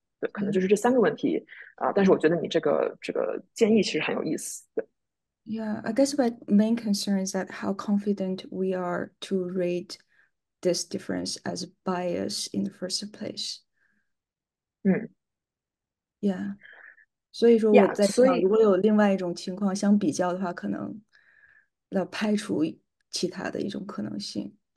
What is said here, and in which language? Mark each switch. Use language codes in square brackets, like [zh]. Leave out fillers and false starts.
[zh] 对，可能就是这三个问题但是我觉得你这个建议其实很有意思。对。 [en] Yeah, I guess my main concern is that how confident we are to rate this difference as bias in the first place. [zh] Yeah. 所以说我 [en] Yeah， [zh] 在所想，以。如果有另外一种情况相比较的话，可能要排除其他的一种可能性。